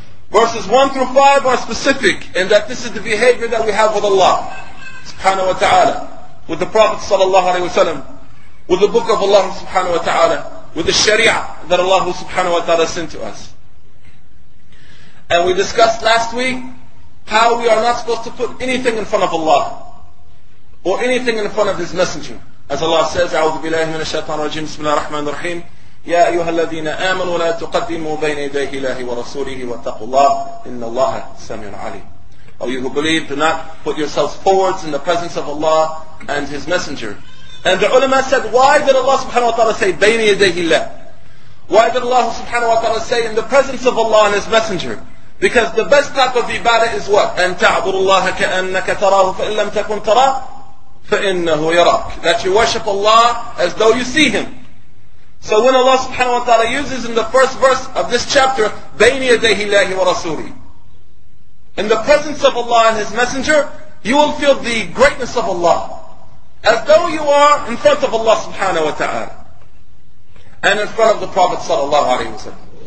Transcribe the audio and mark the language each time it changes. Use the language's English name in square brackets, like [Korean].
[English] Verses 1 through 5 are specific, in that this is the behavior that we have with Allah subhanahu wa ta'ala, with the Prophet sallallahu alayhi wa sallam, with the book of Allah subhanahu wa ta'ala, with the sharia that Allah subhanahu wa ta'ala sent to us. And we discussed last week how we are not supposed to put anything in front of Allah, or anything in front of His Messenger. As Allah says, [Arabic] أعوذ بالله من الشيطان الرجيم بسم الله الرحمن الرحيم يا أيها الذين آمنوا لا تقدموا بين يديه الله ورسوله واتقوا الله إن الله سميع عليم. [English] O you who believe, do not put yourselves forwards in the presence of Allah and His Messenger. And the ulama said, why did Allah subhanahu wa ta'ala say [Arabic] بين يديه الله? [English] Why did Allah subhanahu wa ta'ala say in the presence of Allah and His Messenger? Because the best type of ibadah is what? [Arabic] أن تعبد الله كأنك تراه فإن لم تكن تراه فَإِنَّهُ يَرَاكُ. [English] That you worship Allah as though you see Him. So when Allah subhanahu wa ta'ala uses in the first verse of this chapter, [Arabic] بَيْنِ يَدَيْهِ اللَّهِ وَرَسُولِهِ, [English] in the presence of Allah and His Messenger, you will feel the greatness of Allah, as though you are in front of Allah subhanahu wa ta'ala, and in front of the Prophet sallallahu alayhi wa sallam.